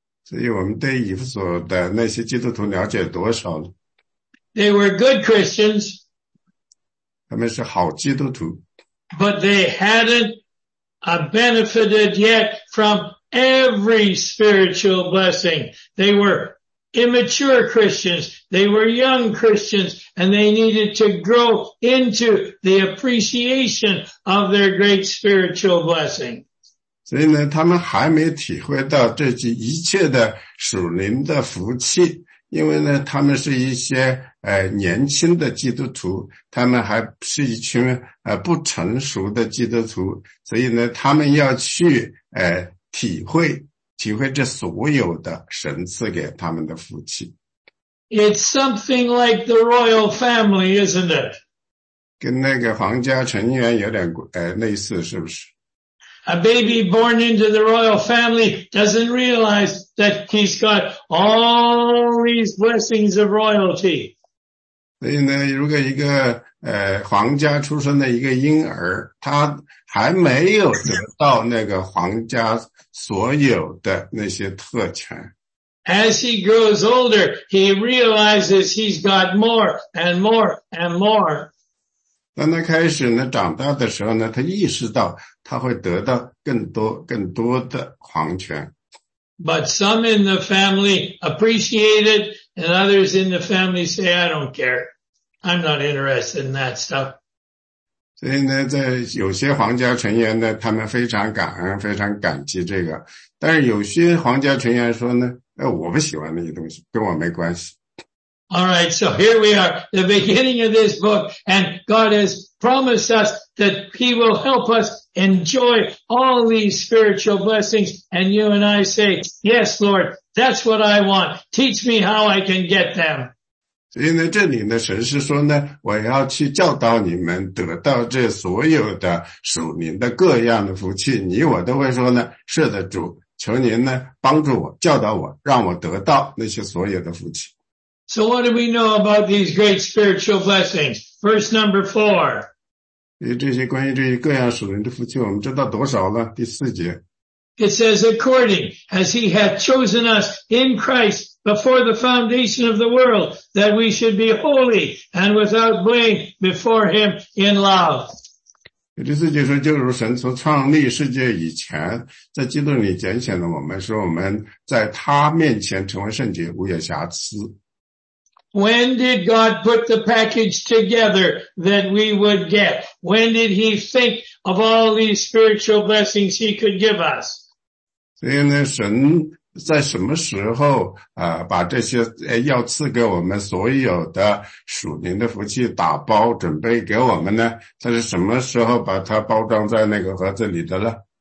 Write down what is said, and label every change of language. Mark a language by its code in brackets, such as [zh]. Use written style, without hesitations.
[zh] 所以我们对以弗所的那些基督徒了解多少呢？ [en] They were good Christians. [zh] 他们是好基督徒。 [en] But they hadn't benefited yet from every spiritual blessing. They were immature Christians. They were young Christians. And they needed to grow into the appreciation of their great spiritual blessing. [zh] 所以呢，他们还没体会到这些一切的属灵的福气。因为呢，他们是一些年轻的基督徒，他们还是一群不成熟的基督徒，所以呢，他们要去体会这所有的神赐给他们的福气。 [en] It's something like the royal family, isn't it? [zh] 跟那个皇家成员有点类似，是不是？ [en] A baby born into the royal family doesn't realize that he's got all these blessings of royalty. [zh] 所以呢，如果一个皇家出生的一个婴儿，他还没有得到那个皇家所有的那些特权。 [en] As he grows older, he realizes he's got more and more and more. [zh] 当他开始呢长大的时候呢，他意识到他会得到更多更多的皇权。 [en] But some in the family appreciate it, and others in the family say, I don't care. I'm not interested in that stuff. [zh] 所以呢，在有些皇家成员呢，他们非常感恩，非常感激这个。但是有些皇家成员说呢，我不喜欢那些东西，跟我没关系。 [en] Alright, so here we are, the beginning of this book, and God has promised us that He will help us enjoy all these spiritual blessings, and you and I say, yes, Lord, that's what I want. Teach me how I can get them. [zh] 所以呢，这里呢，神是说呢，我要去教导你们得到这所有的属灵的各样的福气。你我都会说呢，是的，主，求您呢帮助我，教导我，让我得到那些所有的福气。 [en] So what do we know about these great spiritual blessings? Verse number four. [zh] 所以这些关于这些各样属灵的福气，我们知道多少了？第四节。 [en] It says, according as he hath chosen us in Christ before the foundation of the world, that we should be holy and without blame before him in love. [zh] 第四节说，就如神从创立世界以前，在基督里拣选了我们，使我们在他面前成为圣洁，无有瑕疵。 [en] When did God put the package together that we would get? When did he think of all these spiritual blessings he could give us? [zh] 所以呢，神在什么时候把这些要赐给我们所有的属灵的福气打包准备给我们呢？他是什么时候把它包装在那个盒子里的呢？